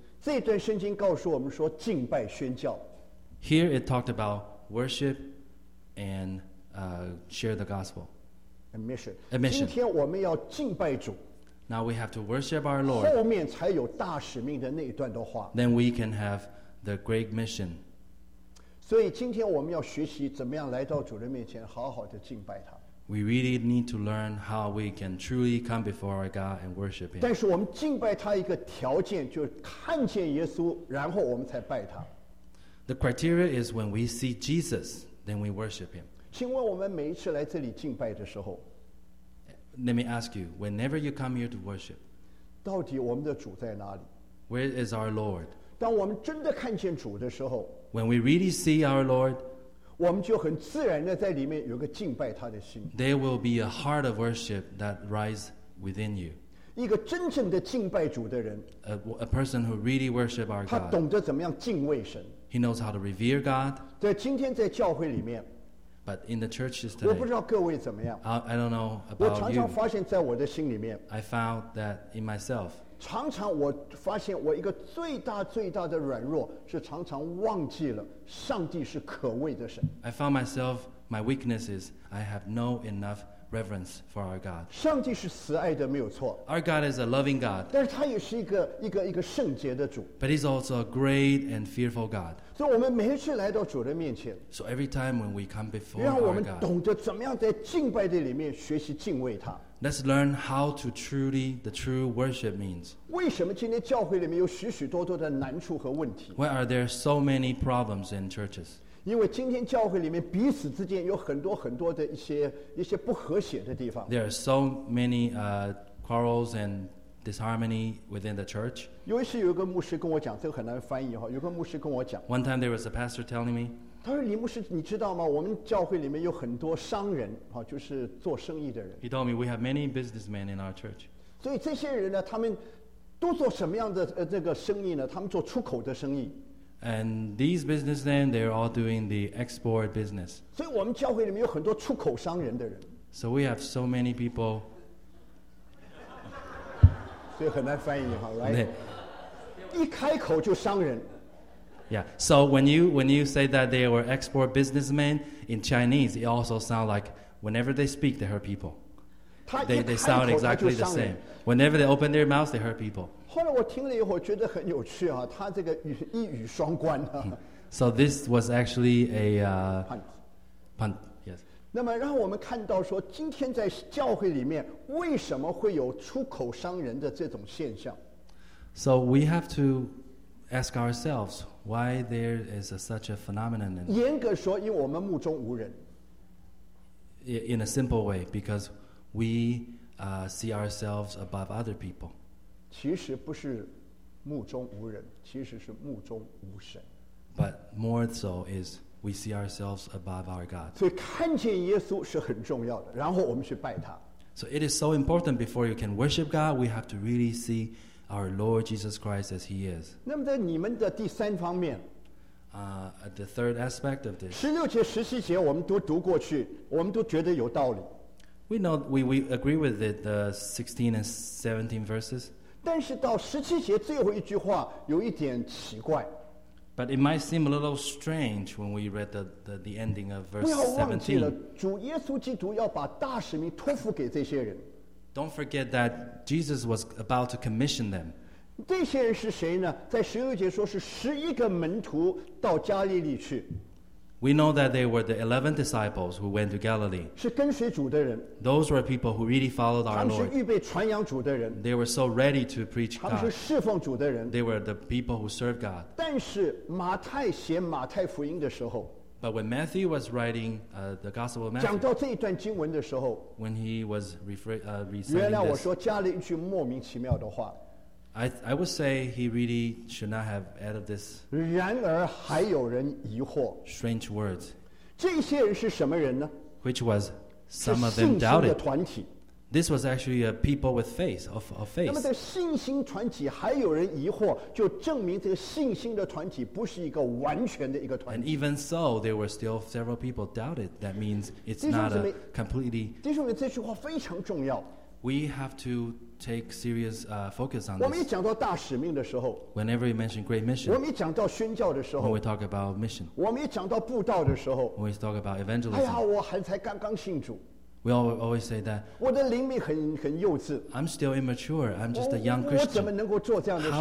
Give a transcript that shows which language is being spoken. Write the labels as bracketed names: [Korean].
[Chinese] 这段圣经告诉我们说敬拜宣教。 [English] Here it talked about worship and share the gospel. A mission. [Chinese] 今天我们要敬拜主。 [English] Now we have to worship our Lord. [Chinese] 后面才有大使命的那一段的话。 [English] Then we can have the great mission. [Chinese] 所以今天我们要学习怎么样来到主人面前好好的敬拜他。 [English] We really need to learn how we can truly come before our God and worship Him. [Chinese] 但是我们敬拜他一个条件，就是看见耶稣，然后我们才拜他。 [English] The criteria is when we see Jesus, then we worship Him. [Chinese] 请问我们每一次来这里敬拜的时候 [English] ，Let me ask you, whenever you come here to worship, [Chinese] 到底我们的主在哪里 [English] ？Where is our Lord? [Chinese] 当我们真的看见主的时候 [English] ，When we really see our Lord. [Chinese] 我们就很自然的在里面有个敬拜他的心。 [English] There will be a heart of worship that rises within you. [Chinese] 一个真正的敬拜主的人。 [English] A person who really worships our God. [Chinese] 他懂得怎么样敬畏神。 [English] He knows how to revere God. [Chinese] 在今天在教会里面。 [English] But in the churches today. [Chinese] 我不知道各位怎么样。 [English] I don't know about you. [Chinese] 我常常发现在我的心里面。 [English] I found that in myself. [Chinese] 常常我发现我一个最大最大的软弱是常常忘记了。上帝是可畏的神。 [English] I found myself, my weakness is I have no enough reverence for our God. [Chinese] 上帝是慈爱的，没有错。 [English] Our God is a loving God. [Chinese] 但是他也是一个圣洁的主。 [English] But he's also a great and fearful God. [Chinese] 所以我们每一次来到主的面前。 [English] So every time when we come before our God. [Chinese] 让我们懂得怎么样在敬拜的里面学习敬畏他。 [English] Let's learn how to truly the true worship means. [Chinese] 为什么今天教会里面有许许多多的难处和问题？ [English] Why are there so many problems in churches? [Chinese] 因为今天教会里面彼此之间有很多很多的一些不和谐的地方。 [English] There are so many quarrels and disharmony within the church. [Chinese] 尤其是有一个牧师跟我讲，这个很难翻译哈。有个牧师跟我讲。 [English] One time there was a pastor telling me. [Chinese] 他说：“李牧师，你知道吗？我们教会里面有很多商人，哈，就是做生意的人。” [English] He told me we have many businessmen in our church. [Chinese] 所以这些人呢，他们都做什么样的这个生意呢？他们做出口的生意。 [English] And these businessmen, they're all doing the export business. [Chinese] 所以我们教会里面有很多出口商人的人。 [English] So we have so many people. [Chinese] 所以很难翻译哈，来、 [English] right? [Chinese] ，一开口就商人。 [English] Yeah. So when you say that they were export businessmen in Chinese, it also sounds like whenever they speak, they hurt people. They sound exactly the same. Whenever they open their mouths, they hurt people. [Chinese] 后来我听了以后，觉得很有趣啊，他这个一语双关啊。 [English] So this was actually a punt. Punt. Yes. [Chinese] 那么让我们看到说今天在教会里面为什么会有出口伤人的这种现象。 [English] So we have to ask ourselves why there is such a phenomenon. [Chinese] 严格说因为我们目中无人。 [English] In a simple way, because we see ourselves above other people. [Chinese] 其实不是目中无人，其实是目中无神。 [English] But more so is we see ourselves above our God. [Chinese] 所以看见耶稣是很重要的，然后我们去拜他。 [English] So it is so important before you can worship God, we have to really see our Lord Jesus Christ as he is. [Chinese] 那么在你们的第三方面， [English] the third aspect of this. [Chinese] 十六节十七节我们都读过去，我们都觉得有道理。 [English] We know we agree with it, the 16 and 17 verses. [Chinese] 但是到十七节最后一句话有一点奇怪。 [English] But it might seem a little strange when we read the ending of verse [Chinese] 17. 不要忘记了，主耶稣基督要把大使命托付给这些人。 [English] Don't forget that Jesus was about to commission them. [Chinese] 这些人是谁呢？在十六节说是十一个门徒到加利利去。 [English] We know that they were the 11 disciples who went to Galilee. [Chinese] 是跟随主的人。 [English] Those were people who really followed our Lord. [Chinese] 他们是预备传扬主的人。 [English] They were so ready to preach God. [Chinese] 他们是侍奉主的人。 [English] They were the people who served God. [Chinese] 但是马太写马太福音的时候。 [English] But when Matthew was writing the Gospel of Matthew. [Chinese] 讲到这一段经文的时候。 [English] When he was reciting this. [Chinese] 原来我说加了一句莫名其妙的话。 [English] I would say he really should not have added this. [Chinese] 然而还有人疑惑。 [English] Strange words. [Chinese] 这些人是什么人呢？ [English] Which was some of them doubted. [Chinese] 是信心的团体。 [English] This was actually a people with faith, of faith. [Chinese] 那么在信心团体还有人疑惑，就证明这个信心的团体不是一个完全的一个团体。 [English] And even so, there were still several people doubted. That means it's not a completely. [Chinese] 弟兄们，这句话非常重要。 [English] We have to take serious focus on this. [Chinese] 我们一讲到大使命的时候， [English] whenever you mention great mission, [Chinese] 我们一讲到宣教的时候， [English] when we talk about mission, [Chinese] 我们一讲到布道的时候， [English] when we talk about evangelism, [Chinese] 哎呀，我还才刚刚信主。 [English] We always say that [Chinese] 我的灵命很幼稚。 [English] I'm still immature. I'm just a young Christian. [Chinese] 我怎么能够做这样的事情？